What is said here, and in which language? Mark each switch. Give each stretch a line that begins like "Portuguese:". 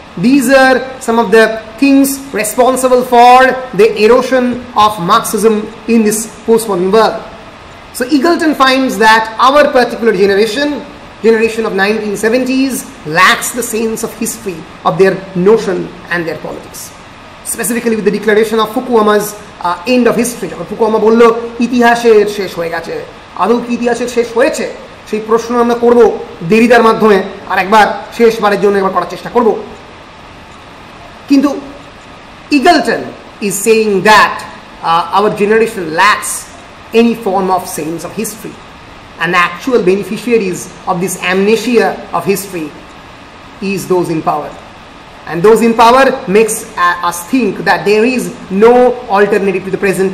English: These are some of the things responsible for the erosion of Marxism in this postmodern world. So Eagleton finds that our particular generation of 1970s, lacks the sense of history of their notion and their politics. Specifically with the declaration of Fukuyama's end of history.
Bangla: যখন Fukuyama বলল ইতিহাসের শেষ হয়ে গেছে, আদৌ কি ইতিহাসের শেষ হয়েছে সেই প্রশ্ন আমরা করব দেরিদার মাধ্যমে, আর একবার শেষবারের জন্য একবার করার চেষ্টা করব। Kintu
English: Eagleton is saying that our generation lacks any form of sense of history, and the actual beneficiaries of this amnesia of history is those in power. And those in power makes us think that there is no alternative to the present.